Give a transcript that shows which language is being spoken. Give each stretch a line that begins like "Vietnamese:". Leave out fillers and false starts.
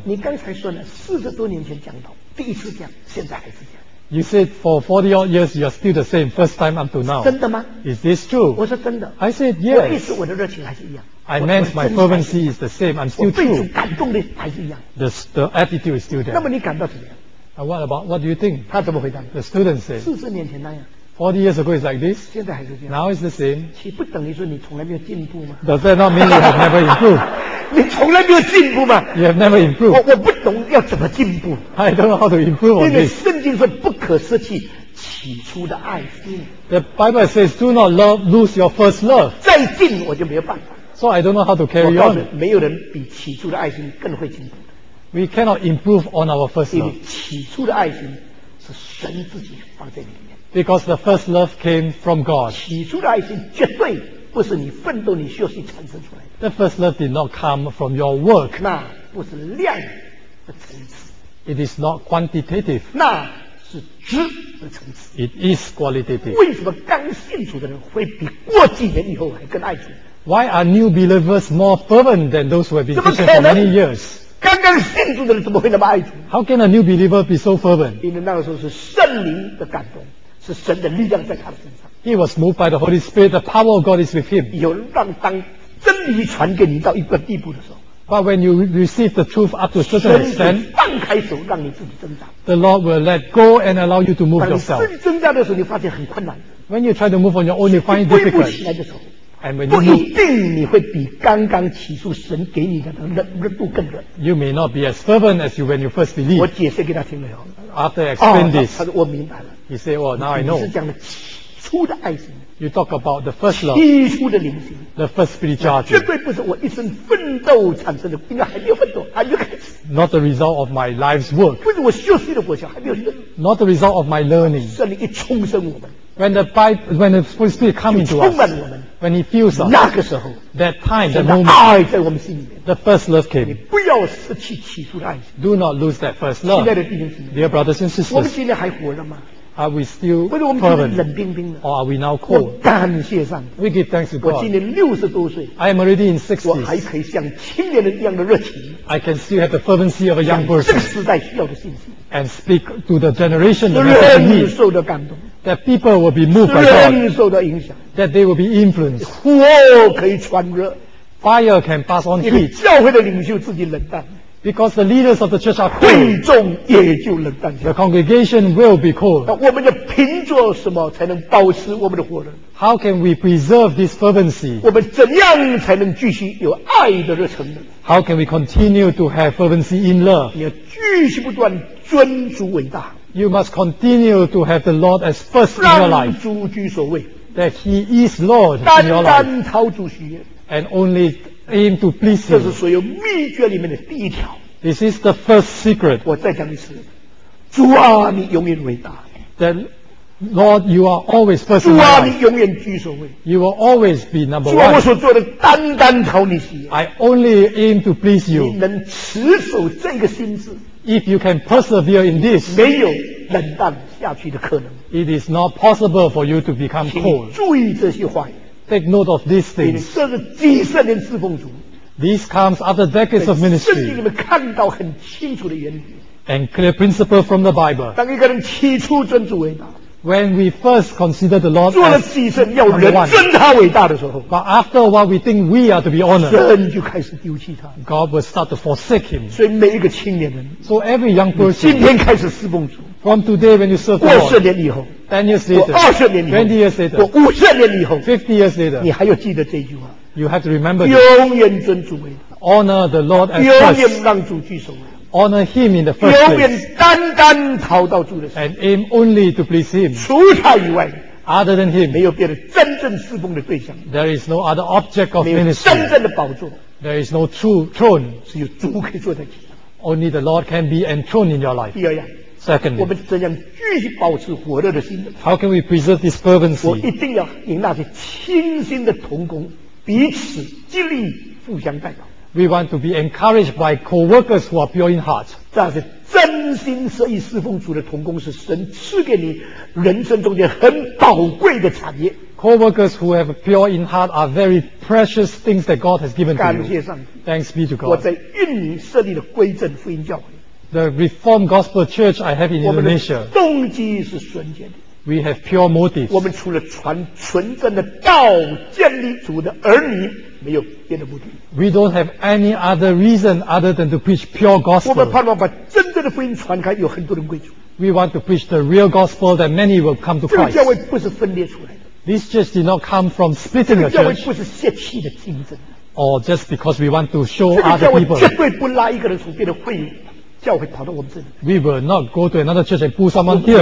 Chinese: 你刚才说了40多年前讲到，第一次讲，现在还是讲。
English: You said for 40 odd years you are still the same. First time up to now.
Chinese: 真的吗？
English: Is this true?
Chinese: 我说真的。
English: I said yes.
Chinese: 我意思我的热情还是一样。
English: I meant my fervency is the same. I'm still true.
Chinese: 我被主感动的还是一样。
English: The attitude is still there.
Chinese: 那么你感到怎么样？
English: What do you think?
Chinese: 他怎么回答？
English: The student said.
Chinese: 40年前那样。
English: 40 years ago is like this.
Chinese: 现在还是这样。
English: Now it's the same.
Chinese: 岂不等于说你从来没有进步吗？
English: Does that not mean you have never improved?
Chinese: 你从来没有进步嘛。
English: You have never improved.
Chinese: 我不懂要怎么进步。
English: I don't know how to improve.
Chinese: 因为圣经说不可失去起初的爱。
English: The Bible says, do not love, lose your first love.
Chinese: 再进我就没有办法。
English: So I don't know how to carry on.
Chinese: 我告诉你，没有人比起初的爱心更会进步。
English: We cannot improve on our first love.
Chinese: 因为起初的爱心是神自己放在里面。
English: Because the first love came from God.
Chinese: 起初的爱心绝对不是你奋斗、你学习产生出来的。
English: The first love did not come from your work.
Chinese: 那不是量的层次。
English: It is not quantitative.
Chinese: 那是质的层次。
English: It is qualitative.
Chinese: 为什么刚信主的人会比过几年以后还更爱主？
English: Why are new believers more fervent than those who have been Christian for many years?
Chinese: 刚刚信主的人怎么会那么爱主？
English: How can a new believer be so fervent?
Chinese: 因为那个时候是圣灵的感动，是神的力量在他的身上。
English: He was moved by the Holy Spirit. The power of God is with him.
Chinese: 有让当真理传给你到一个地步的时候，
English: But when you receive the truth up to a certain extent, 神
Chinese: 就放开手让你自己挣扎。
English: The Lord will let go and allow you to move yourself.
Chinese: 当你自己挣扎的时候，你发现很困难。
English: When you try to move on your own, you find it difficult.
Chinese: 你归不起来的时候，
English: move,
Chinese: 不一定你会比刚刚起初神给你的热度更热。
English: You may not be as fervent as you when you first believe.
Chinese: 我解释给他听了。
English: After I explain this,
Chinese: 他说我明白了。
English: He said, "Well, now I know."
Chinese: 你是讲的起初的爱心。
English: You talk about the first love.
Chinese: 起初的灵性。
English: The first spiritual.
Chinese: 绝对不是我一生奋斗产生的，因为还没有奋斗，还没有开始。
English: Not the result of my life's work.
Chinese: 不是我休息的过程，还没有认。
English: Not the result of my learning.
Chinese: 圣灵一充生我们。
English: When the Holy Spirit comes into us, when He fills us,
Chinese: 那个时候
English: that time, that moment,
Chinese: 在我们心里面
English: the first love came.
Chinese: 你不要失去起初的爱心。
English: Do not lose that first love.
Chinese: 亲爱的弟兄姊妹，
English: dear brothers and sisters,
Chinese: 我们今天还活着吗？
English: Are we still fervent?
Chinese: 或者我们今天冷冰冰的？
English: Or are we now cold?
Chinese: 我感谢上帝。
English: We give thanks to God.
Chinese: 我今年六十多岁。
English: I am already in 60s.
Chinese: 我还可以像青年人一样的热情。
English: I can still have the fervency of a young person.
Chinese: 向这个时代需要的信息。
English: And speak to the generation that has need.
Chinese: 人受的感动。
English: That people will be moved by God.
Chinese: 人受的影响。
English: That they will be influenced.
Chinese: 火可以传热。
English: Fire can pass on heat.
Chinese: 教会的领袖自己冷淡。
English: Because the leaders of the church are cold.
Chinese: 会众也就冷淡。
English: The congregation will be cold.
Chinese: 那我们要凭着什么才能保持我们的火热？
English: How can we preserve this fervency?
Chinese: 我们怎样才能继续有爱的热忱呢？
English: How can we continue to have fervency in love?
Chinese: 你要继续不断尊主伟大。
English: You must continue to have the Lord as first in your life.
Chinese: 让主居首位。
English: That He is Lord in your life.
Chinese: 单单讨主喜悦。
English: And only aim to please Him.
Chinese: 这是所有秘诀里面的第一条。
English: This is the first secret.
Chinese: 我再讲一次，主啊，你永远伟大。
English: Then, Lord, you are always first in your life.
Chinese: 主啊，你永远居首位。
English: You will always be number one.
Chinese: 主啊，我所做的单单讨你喜悦。
English: I only aim to please you.
Chinese: 你能持守这个心志。
English: If you can persevere in this,
Chinese: 没有冷淡下去的可能。
English: It is not possible for you to become cold.
Chinese: 请注意这些话语。
English: Take note of these things.
Chinese: 这是几十年侍奉主。
English: This comes after decades of ministry.
Chinese: 圣经里面看到很清楚的原理。
English: And clear principle from the Bible.
Chinese: 当一个人起初尊主伟大。
English: When we first consider the Lord as
Chinese: 做了牺牲要人尊他伟大的时候，
English: But after a while we think we are to be honored，
Chinese: 神就开始丢弃他。
English: God will start to forsake him。
Chinese: 所以每一个青年人，
English: So every young person，
Chinese: 今天开始侍奉主，
English: From today when you serve the Lord，
Chinese: 过十年以后，
English: 10 years later，
Chinese: 过二十年以后，
English: 20 years later，
Chinese: 过五十年以后，
English: 50 years later，
Chinese: 你还要记得这句话。
English: You have to remember，
Chinese: 永远尊主伟大。
English: Honor the Lord as first，
Chinese: 永远让主居首位。
English: Honor him in the first place.
Chinese: 永远单单讨到主的心。
English: And aim only to please him.
Chinese: 除他以外，
English: other than him,
Chinese: 没有别的真正侍奉的对象。
English: There is no other object of ministry.
Chinese: 没有真正的宝座。
English: There is no true throne.
Chinese: 只有主可以坐在其上。
English: Only the Lord can be enthroned in your life.
Chinese: 第二样。
English: Secondly,
Chinese: 我们怎样继续保持火热的心？
English: How can we preserve this fervency?
Chinese: 我一定要赢那些倾心的同工，彼此激励，互相代表。
English: We want to be encouraged by co-workers who are pure in heart.
Chinese: 这是真心实意侍奉主的同工，是神赐给你人生中间很宝贵的产业。
English: Co-workers who have pure in heart are very precious things that God has given to you.
Chinese: 感谢上帝。
English: Thanks be to God.
Chinese: 我在印尼设立的归正福音教会。
English: The Reformed Gospel Church I have in Indonesia.
Chinese: 我们的动机是纯洁的。
English: We have pure motives.
Chinese: 我们除了传纯正的道，建立主的儿女，没有别的目的。
English: We don't have any other reason other than to preach pure gospel.
Chinese: 我们盼望把真正的福音传开，有很多人归主。
English: We want to preach the real gospel that many will come to Christ.
Chinese: 这个教会不是分裂出来的。
English: This church did not come from splitting a church.
Chinese: 这个教会不是泄气的竞争。
English: or just because we want to show other people.
Chinese: 绝对不拉一个人从别的会教会跑到我们这里。
English: We will not go to another church and pull someone here.